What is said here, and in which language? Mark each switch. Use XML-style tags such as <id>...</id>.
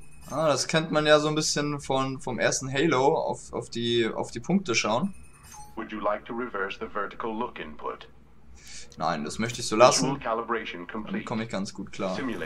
<de>Ah, das kennt man ja so ein bisschen vom ersten Halo, auf die Punkte schauen.</de> <en>Would you like to reverse the vertical look input?</en> <de>Nein, das möchte ich so lassen. Damit komme ich ganz gut klar.</de>